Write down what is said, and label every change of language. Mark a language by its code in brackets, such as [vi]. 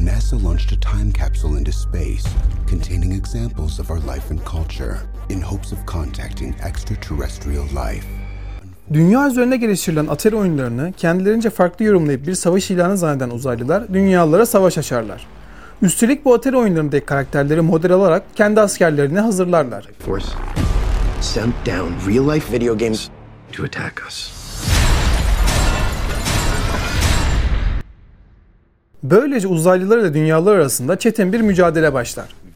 [en] NASA launched a time capsule into space, containing examples of our life and culture, in hopes of contacting extraterrestrial life. [tr] Dünya üzerinde geliştirilen Atari oyunlarını kendilerince farklı yorumlayıp bir savaş ilanı zanneden uzaylılar, dünyalılara savaş açarlar. Üstelik bu Atari oyunlarındaki karakterleri model alarak kendi askerlerini hazırlarlar. [en] Force sent down real life video games to attack us. [tr] Böylece uzaylılar ile dünyalılar arasında çetin bir mücadele başlar.